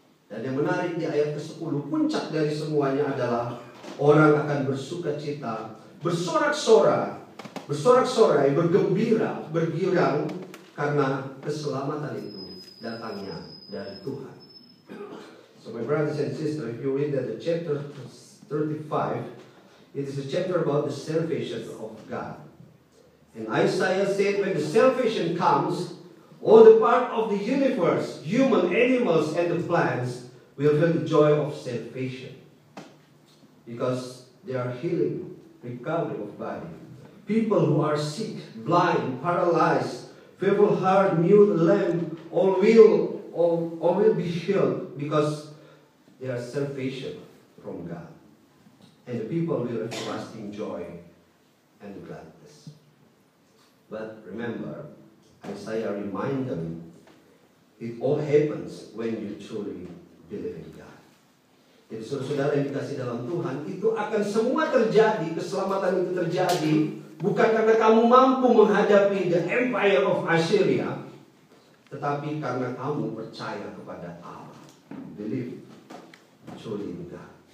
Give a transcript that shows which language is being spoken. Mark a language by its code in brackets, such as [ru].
[id] Dan yang menarik di ayat ke-10, puncak dari semuanya adalah orang akan bersuka cita, bersorak-sorai, bergembira, bergirang karena keselamatan itu datangnya dari Tuhan. [en] So my brothers and sisters, if you read that the chapter 35, it is a chapter about the salvation of God. And Isaiah said, when the salvation comes, all the part of the universe, human, animals, and the plants, will feel the joy of salvation. Because they are healing, recovery of body. People who are sick, blind, paralyzed, feeble heart, mute, lame, all will be healed because they are salvation from God. And the people will have lasting joy and gladness. But remember, Isaiah reminded them, it all happens when you truly believe in God. [id] Jadi saudara yang dikasih dalam Tuhan, itu akan semua terjadi, keselamatan itu terjadi, bukan karena kamu mampu menghadapi [en] the empire of Assyria, [id] tetapi karena kamu percaya kepada Allah. [en] Believe, truly in God.